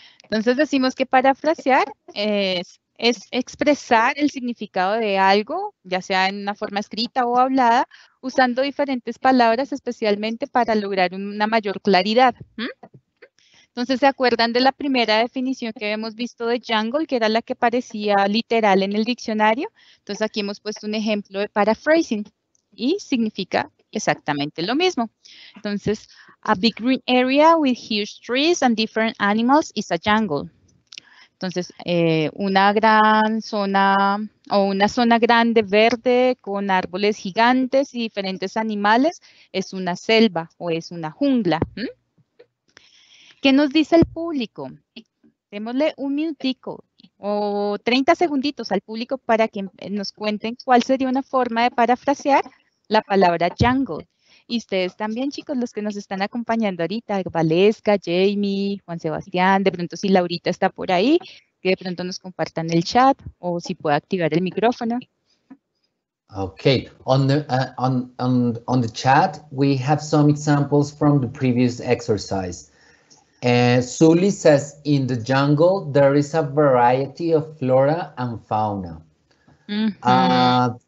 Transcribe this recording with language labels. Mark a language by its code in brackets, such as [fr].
[es] Entonces decimos que parafrasear es expresar el significado de algo, ya sea en una forma escrita o hablada, usando diferentes palabras, especialmente para lograr una mayor claridad. ¿Mm? Entonces, ¿se acuerdan de la primera definición que habíamos visto de jungle, que era la que parecía literal en el diccionario? Entonces, aquí hemos puesto un ejemplo de paraphrasing y significa exactamente lo mismo. [en] Entonces, a big green area with huge trees and different animals is a jungle. [es] Entonces, una gran zona o una zona grande verde con árboles gigantes y diferentes animales es una selva o es una jungla. ¿Mm? ¿Qué nos dice el público? Démosle un minutico o 30 segunditos al público para que nos cuenten cuál sería una forma de parafrasear la palabra jungle. Y ustedes también, chicos, los que nos están acompañando ahorita, Valesca, Jamie, Juan Sebastián, de pronto si Laurita está por ahí, que de pronto nos compartan el chat o si puede activar el micrófono. [en] Okay, on the chat, we have some examples from the previous exercise. Suli says, in the jungle, there is a variety of flora and fauna. Mm-hmm.